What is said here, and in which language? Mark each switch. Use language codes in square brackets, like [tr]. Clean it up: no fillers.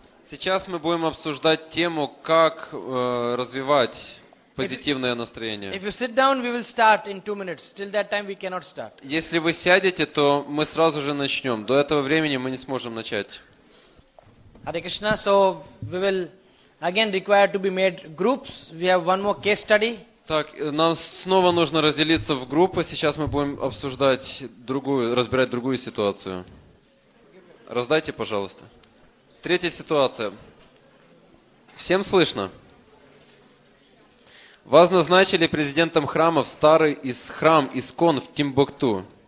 [ru] Сейчас мы будем обсуждать тему, как развивать позитивное настроение. [en] If you sit down, we will start in 2 minutes. Till that time, we cannot start. [ru] Если вы сядете, то мы сразу же начнем. До этого времени мы не сможем начать. [en] Hare Krishna, so we will again require to be made groups. We have one more case study. [ru] Так, нам снова нужно разделиться в группы. Сейчас мы будем обсуждать другую, разбирать другую ситуацию. Раздайте, пожалуйста. Третья ситуация. Всем слышно? Вас назначили президентом храма в старый храм Искон в Тимбукту.